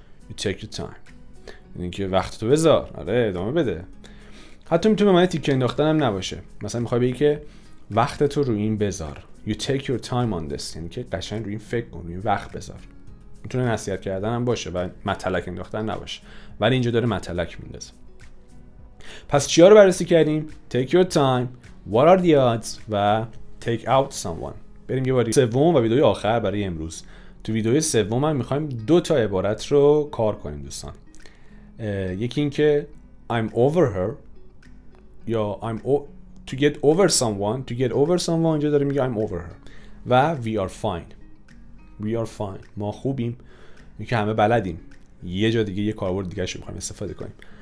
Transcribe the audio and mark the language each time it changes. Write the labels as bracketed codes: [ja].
[fa] یو تیک یور تایم یعنی که وقت تو بذار، آره ادامه بده. حتی میتونه معنی تیکه انداختن هم نباشه، مثلا میخواد بگه که وقت تو رو این بذار. [en] You take your time on this [fa] یعنی که قشنگ روی این فکر کن، روی این وقت بذار. میتونه نصیحت کردن هم باشه و متلک انداختن نباشه، ولی اینجا داره متلک میندازه. پس چیا رو بررسی کردیم؟ [en] Take your time، What are the odds [fa] و [en] Take out someone. [fa] بریم یه باری سوم و ویدئوی آخر برای امروز. تو ویدئوی سوم هم میخوایم دو تا عبارت رو کار کنیم دوستان. یکی این که [en] I'm over her [fa] یا I'm over to get over someone، to get over someone اینجا داره میگه I'm over her و [en] we are fine، we are fine [fa] ما خوبیم، این که همه بلدیم. یه جا دیگه یه کاربرد دیگه شو میخوایم استفاده کنیم.